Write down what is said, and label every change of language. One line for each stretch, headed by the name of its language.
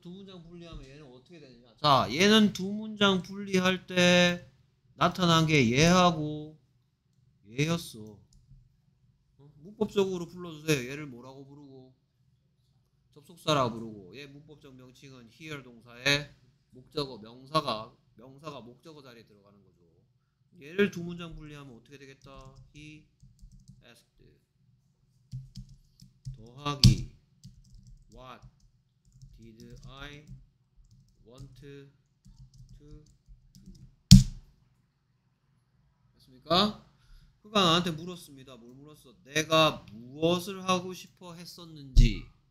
Korean: 두 문장 분리하면 얘는 어떻게 되느냐? 자, 얘는 두 문장 분리할 때 나타난 게 얘하고 얘였어. 문법적으로 불러주세요. 얘를 뭐라고 부르고? 접속사라 부르고, 얘 문법적 명칭은 here 동사에 목적어 명사가 목적어 자리에 들어가는 거죠. 얘를 두 문장 분리하면 어떻게 되겠다?
English: He asked 더하기 what did I want to do?
Korean: 맞습니까? 그가 나한테 물었습니다. 뭘 물었어? 내가 무엇을 하고 싶어 했었는지.